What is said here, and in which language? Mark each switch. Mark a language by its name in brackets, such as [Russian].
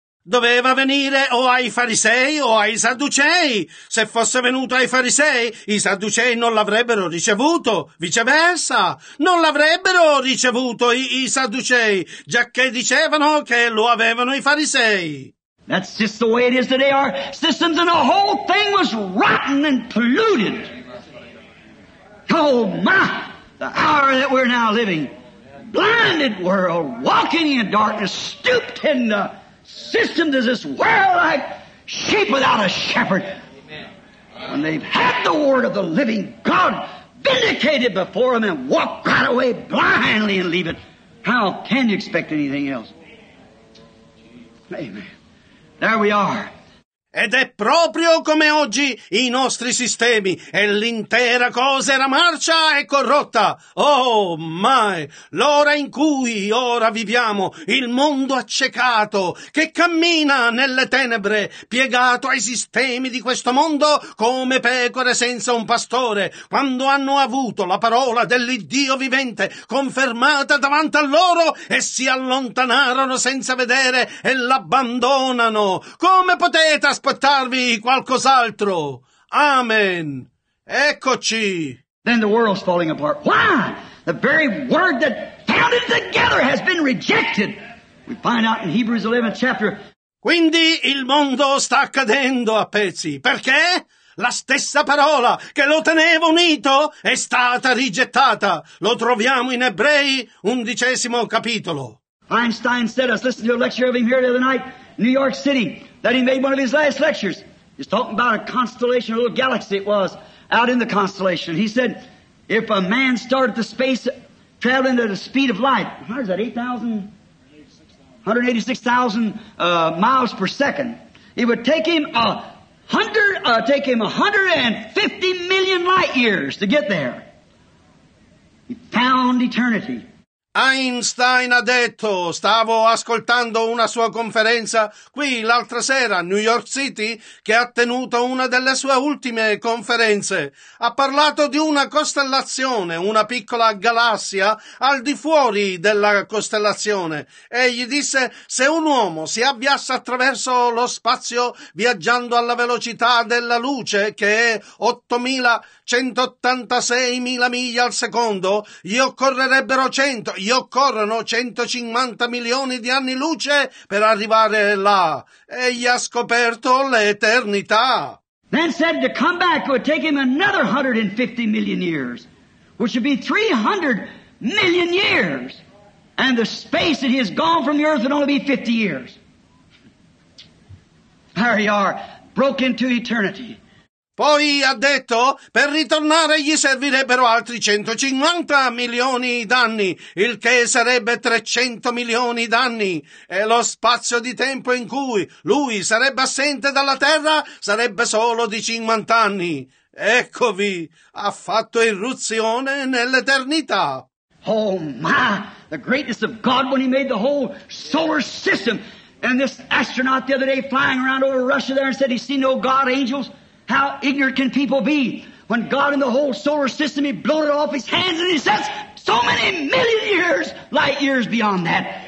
[Italian] Doveva venire o ai farisei o ai sadducei. Se fosse venuto ai farisei, i sadducei non l'avrebbero ricevuto. Viceversa, non l'avrebbero ricevuto i sadducei, giacché dicevano che lo avevano i farisei. [English] That's just the way it is today. Our systems and the whole thing was rotten and polluted. Oh my, the hour that we're now living. Blinded world, walking in darkness, stooped in the system does this world like sheep without a shepherd. When they've had the word of the living God vindicated before them and walk right away blindly and leave it, how can you expect anything else? Amen. There we are. [Italian] Ed è proprio come oggi i nostri sistemi, e l'intera cosa era marcia e corrotta. Oh mai, l'ora in cui ora viviamo, il mondo accecato, che cammina nelle tenebre, piegato ai sistemi di questo mondo come pecore senza un pastore, quando hanno avuto la parola dell'Iddio vivente confermata davanti a loro, e si allontanarono senza vedere e l'abbandonano. Come potete aspettarvi qualcos'altro? Amen. Eccoci. [English] Then the world's falling apart. Why? The very word that found it together has been rejected. We find out in Hebrews 11 chapter. [Italian] Quindi il mondo sta cadendo a pezzi. Perché? La stessa parola che lo teneva unito è stata rigettata. Lo troviamo in Ebrei 11 capitolo. [English] Einstein said, us listen to a lecture of him here the other night, New York City. That he made one of his last lectures. He's talking about a constellation, a little galaxy it was, out in the constellation. He said, if a man started the space traveling at the speed of light, how is that, 186,000 miles per second, it would take him 150 million light years to get there. He found eternity. [Italian] Einstein ha detto, stavo ascoltando una sua conferenza qui l'altra sera a New York City, che ha tenuto una delle sue ultime conferenze. Ha parlato di una costellazione, una piccola galassia al di fuori della costellazione. Egli disse, se un uomo si avviasse attraverso lo spazio viaggiando alla velocità della luce, che è 8.186.000 miglia al secondo, gli occorrono 150 milioni di anni luce per arrivare là. Egli ha scoperto l'eternità. [English] Then said to come back would take him another 150 million years, which would be 300 million years, and the space that he has gone from the earth would only be 50 years. There you are, broken to eternity. [Italian] Poi ha detto, per ritornare gli servirebbero altri 150 milioni d'anni, il che sarebbe 300 milioni d'anni. E lo spazio di tempo in cui lui sarebbe assente dalla Terra sarebbe solo di 50 anni. Eccovi, ha fatto irruzione nell'eternità. [English] Oh my, the greatness of God when he made the whole solar system. And this astronaut the other day flying around over Russia there and said he seen no God angels. How ignorant can people be when God in the whole solar system, he blown it off his hands and he says, so many million years, light years beyond that.